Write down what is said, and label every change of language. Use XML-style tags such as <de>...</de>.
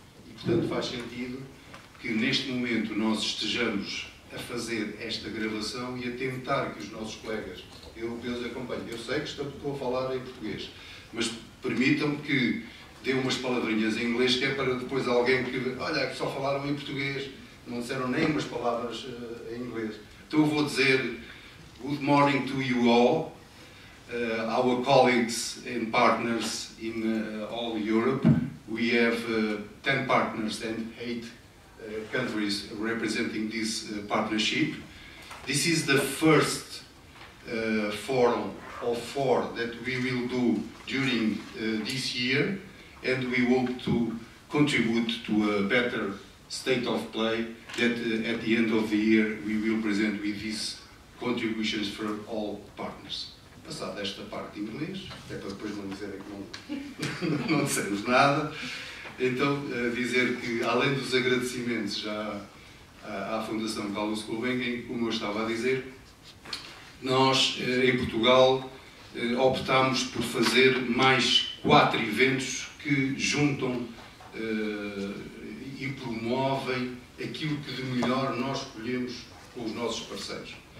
<pt>E, portanto, faz sentido que neste momento nós estejamos a fazer esta gravação e a tentar que os nossos colegas europeus acompanhem. Eu sei que estou a falar em português, mas permitam-me que dê umas palavrinhas em inglês, que é para depois alguém que... Olha, só falaram em português, não disseram nem umas palavras em inglês. Então eu vou dizer...</pt> <en>Good morning to you all, our colleagues and partners in all Europe. We have 10 partners and 8 countries representing this partnership. This is the first forum of 4 that we will do during this year, and we hope to contribute to a better state of play that at the end of the year we will present with this contributions for all partners.</en> <pt>Passada esta parte em inglês, até para depois não dizerem que não dissemos nada, então dizer que, além dos agradecimentos já à Fundação Carlos Gulbenkian, como eu estava a dizer, nós em Portugal optámos por fazer mais 4 eventos que juntam e promovem aquilo que de melhor nós colhemos com os nossos parceiros.</pt>